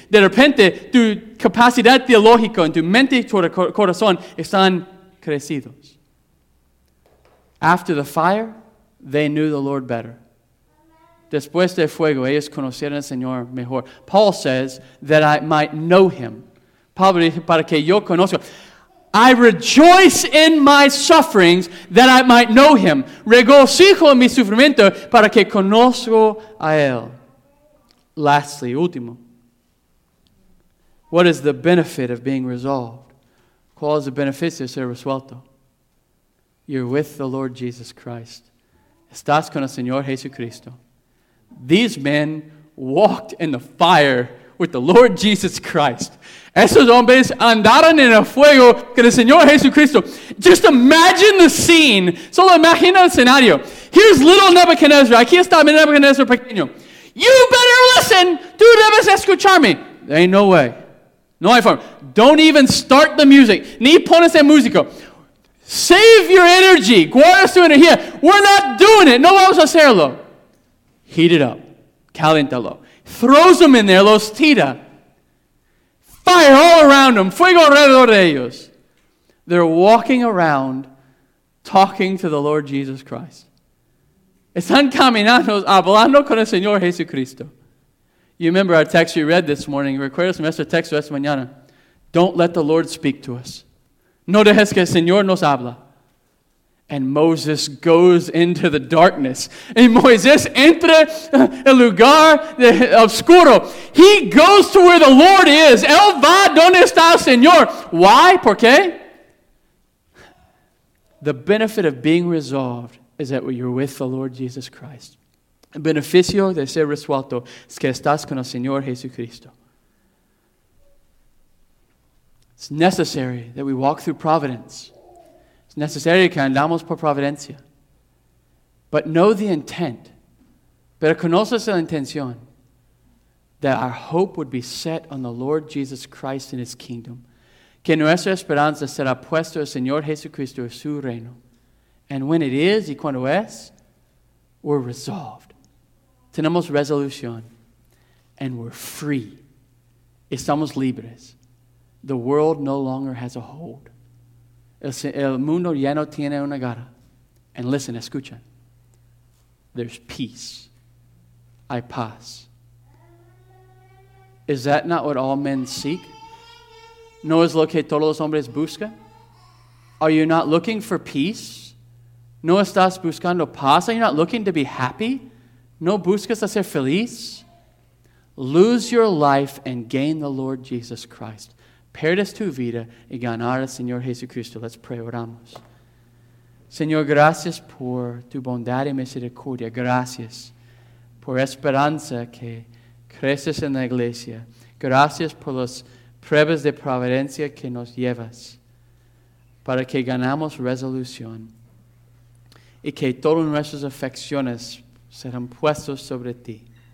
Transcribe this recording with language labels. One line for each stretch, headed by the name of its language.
Spanish: De repente, tu capacidad teológica en tu mente y tu corazón están crecidos.
English: After the fire, they knew the Lord better.
Spanish: Después del fuego, ellos conocieron al Señor mejor.
English: Paul says that I might know him.
Spanish: Pablo dice, para que yo conozca.
English: I rejoice in my sufferings that I might know him.
Spanish: Regocijo en mi sufrimiento para que conozco a él.
English: Lastly,
Spanish: último.
English: What is the benefit of being resolved?
Spanish: ¿Cuál es el beneficio de ser resuelto?
English: You're with the Lord Jesus Christ.
Spanish: Estás con el Señor Jesucristo.
English: These men walked in the fire with the Lord Jesus Christ.
Spanish: Esos hombres andaron en el fuego con el Señor Jesucristo.
English: Just imagine the scene.
Spanish: Solo imagina el escenario.
English: Here's little Nebuchadnezzar.
Spanish: Aquí está mi Nebuchadnezzar pequeño.
English: You better listen.
Spanish: Tú debes escucharme.
English: There ain't no way.
Spanish: No hay forma.
English: Don't even start the music.
Spanish: Ni pones el músico.
English: Save your energy.
Spanish: Guarda su energía.
English: We're not doing it.
Spanish: No vamos a hacerlo.
English: Heat it up.
Spanish: Caléntalo.
English: Throws them in there.
Spanish: Los tira.
English: Fire all around them.
Spanish: Fuego alrededor de ellos.
English: They're walking around talking to the Lord Jesus Christ.
Spanish: Están caminando hablando con el Señor Jesucristo.
English: You remember our text you read this morning.
Spanish: Recuerdas nuestro texto esta mañana.
English: Don't let the Lord speak to us.
Spanish: No dejes que el Señor nos habla.
English: And Moses goes into the darkness. And
Spanish: Moisés entra el lugar oscuro.
English: He goes to where the Lord is.
Spanish: Él va donde está el Señor.
English: Why?
Spanish: ¿Por qué?
English: The benefit of being resolved is that you're with the Lord Jesus Christ.
Spanish: El beneficio de ser resuelto es que estás con el Señor Jesucristo.
English: It's necessary that we walk through providence. It's necessary
Spanish: que andamos por providencia.
English: But know the intent.
Spanish: Pero conoces la intención.
English: That our hope would be set on the Lord Jesus Christ and his kingdom.
Spanish: Que nuestra esperanza será puesta al Señor Jesucristo y su reino.
English: And when it is
Spanish: y cuando es,
English: we're resolved.
Spanish: Tenemos resolución.
English: And we're free.
Spanish: Estamos libres.
English: The world no longer has a hold.
Spanish: El mundo ya no tiene una garra.
English: And listen,
Spanish: escucha.
English: There's peace.
Spanish: Hay paz.
English: Is that not what all men seek?
Spanish: ¿No es lo que todos los hombres buscan?
English: Are you not looking for peace?
Spanish: ¿No estás buscando paz?
English: Are you not looking to be happy?
Spanish: ¿No buscas a ser feliz?
English: Lose your life and gain the Lord Jesus Christ.
Spanish: Perdes tu vida y ganar al Señor Jesucristo.
English: Let's pray,
Spanish: oramos. Señor, gracias por tu bondad y misericordia. Gracias por esperanza que creces en la iglesia. Gracias por las pruebas de providencia que nos llevas para que ganamos resolución y que todas nuestras afecciones serán puestas sobre ti.